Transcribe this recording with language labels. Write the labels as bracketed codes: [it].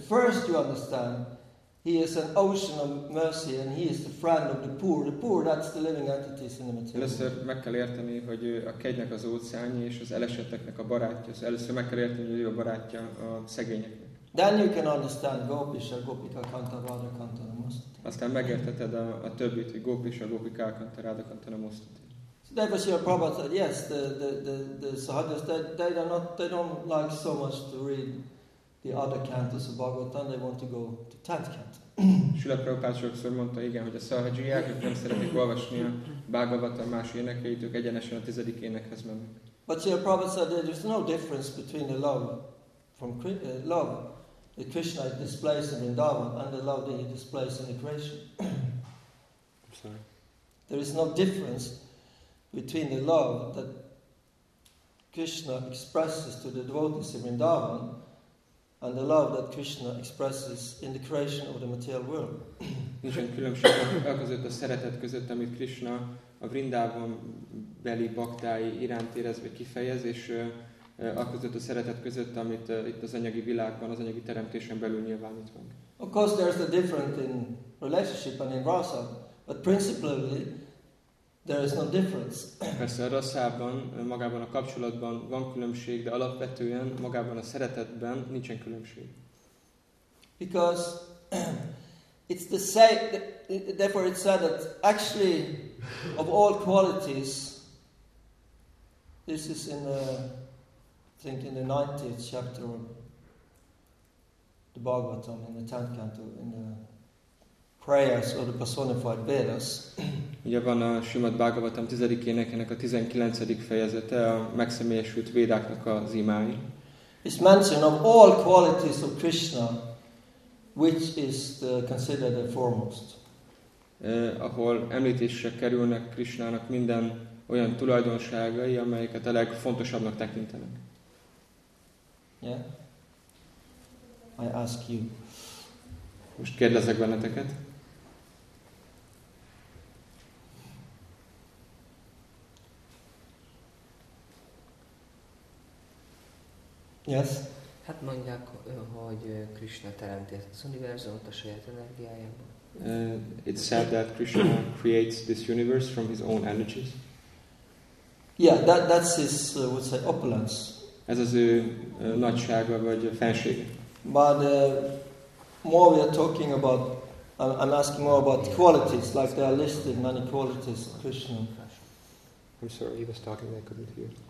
[en] First you understand he is an ocean of mercy and he is the friend of the poor. The poor, that's the living entities in the material. [hu] Először meg kell érteni, hogy a kegynek az óceánja és az elesetteknek a barátja. Először meg kell érteni, hogy ő a barátja a szegényeknek. [en] Then you can understand Gopisha, Gopika, Kanta, Radha, Kanta, Namostati. [hu] Aztán megérteted a többit, hogy Gopisha, Gopika, Kanta, Radha, Kanta, Namostati. [en] So that was your problem. Said, yes, the sahajas, they don't like so much to read the other cantos of Bhagavatam, they want to go to 10th canto. [hu] Srila Prabhupada sokszor mondta, igen, hogy a szahajiák, ők nem szeretik olvasni a Bhagavatam más énekeit, ők egyenesen a 10. énekhez mennek. [en] But Srila Prabhupada said there is no difference between the love from love that Krishna displays in Vrindavan and the love that he displays in the creation. There is no difference between the love that Krishna expresses to the devotees in Vrindavan and the love that Krishna expresses in the creation of the material world. [hu] Nincsen különbség a között a szeretet között, amit Krishna a Vrindavan beli baktái iránt érez vagy kifejez, és a között a szeretet között, amit itt az anyagi világban, az anyagi teremtésen belül nyilvánít meg. [en] Of course there's a difference in relationship and in rasa, but principally there is no difference. [hu] Persze a rasszában, magában a kapcsolatban van különbség, de alapvetően magában a szeretetben nincsen különbség. [en] Because it's the same, therefore it's said that actually of all qualities, this is in the, I think in the 90th chapter of the Bhagavatam, in the 10th canto, in the prayers or the personified Vedas. [hu] Ugye van a Srimad Bhagavatam 10. énekének a 19. fejezete, a megszemélyesült védáknak az imái. [en] It's mentioned of all qualities of Krishna, which is the, considered the foremost. [hu] Ahol említésre kerülnek Krishnának minden olyan tulajdonságai, amelyeket a legfontosabbnak tekintenek. [en] Yeah? I ask you. [hu] Most kérdezek benneteket. [en] Yes. [hu] Hát mondják, hogy Krishna teremtett az univerzumot a saját energiájából. [en] It's said that Krishna creates this universe from his own energies. Yeah, that's his, what say, opulence. [hu] Ez az ő nagysága vagy fensége. [en] But more we are talking about, I'm asking more about qualities, like they are listed many qualities of Krishna. I'm sorry, he was talking, I couldn't hear.